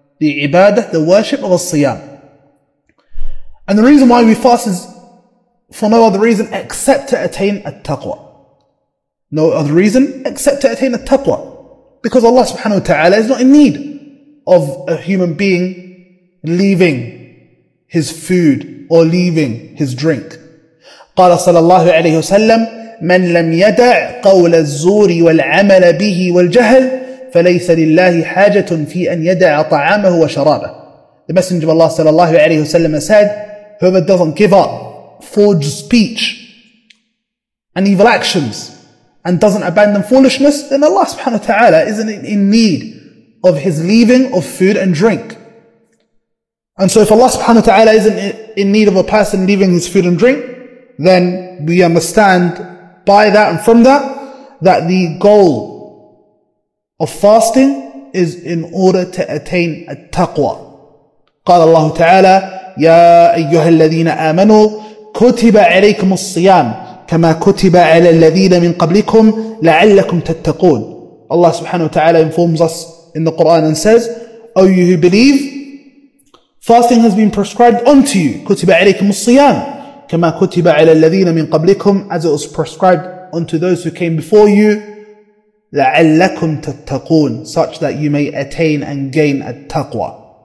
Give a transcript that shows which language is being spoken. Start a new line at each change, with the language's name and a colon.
English: The ibadah, the worship of as-siyam. And the reason why we fast is for no other reason except to attain at-taqwa. No other reason except to attain at-taqwa. Because Allah subhanahu wa ta'ala is not in need of a human being leaving his food or leaving his drink.
Arabic: قال صلى الله عليه وسلم من لم يدع قول الزور والعمل به والجهل فليس لله حاجة في أن يدع طعامه وشرابه.
English: The Messenger of Allah
Arabic: صلى الله عليه وسلم
English: said, whoever doesn't give up forged speech and evil actions and doesn't abandon foolishness, then Allah subhanahu wa ta'ala isn't in need of his leaving of food and drink. And so if Allah subhanahu wa ta'ala isn't in need of a person leaving his food and drink, then we understand by that and from that, that the goal of fasting is in order to attain at-taqwa.
Arabic: قال الله تعالى يا أيها الذين آمنوا كتب عليكم الصيام كما كتب على الذين من قبلكم لعلكم تتقون.
English: Allah subhanahu wa ta'ala informs us in the Quran and says, O you who believe, fasting has been prescribed unto you.
Arabic: كتب عليكم الصيام كما كتب على الذين من قبلكم,
English: as it was prescribed unto those who came before you,
Arabic: لعلكم تتقون,
English: such that you may attain and gain at-taqwa.